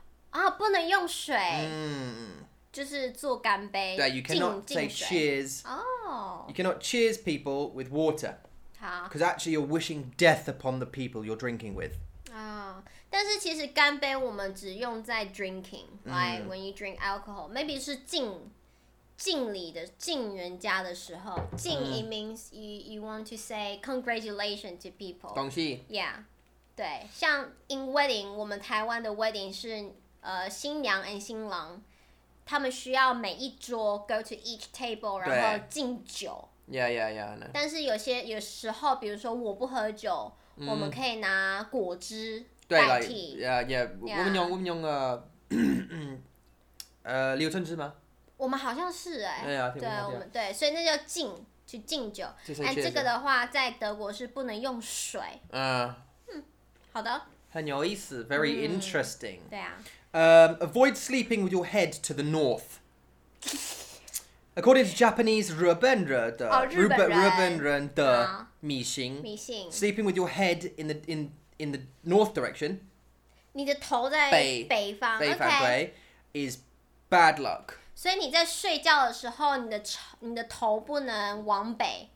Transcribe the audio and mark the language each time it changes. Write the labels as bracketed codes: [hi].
[zh] 啊、不能用水、就是做干杯对 [en] you cannot say cheers、you cannot cheers people with water because actually you're wishing death upon the people you're drinking with、 [zh] 但是其实干杯我们只用在 [en] drinking、like when you drink alcohol maybe [zh] 是敬礼的敬人家的时候敬、 [en] it means you want to say congratulations to people [zh] 恭喜 yeah 对像 [en] in wedding [zh] 我们台湾的 wedding 是新娘 and 新郎，他们需要每一桌 [en] go to each table， [zh] 然后敬酒。 [en] Yeah, I know. [zh] 但是有时候，比如说我不喝酒，我们可以拿果汁代替。 [en] Like, yeah. [zh] 我们用柳橙汁吗？我们好像是 [en] 哎。Yeah, [zh] 对，我们对，所以那叫敬，去敬酒。哎，这个的话在德国是不能用水。好的。很有意思 ， [en] very interesting。 [zh] 对啊。 [en] Avoid sleeping with your head to the north. According to Japanese, [zh] 日本人的、迷信 [en] sleeping with your head in the north direction. [zh] 你的头在北方北方、 [en] okay. [zh] 对 [en] is bad luck. [zh] 所以你在睡觉的时候，你的头不能往北。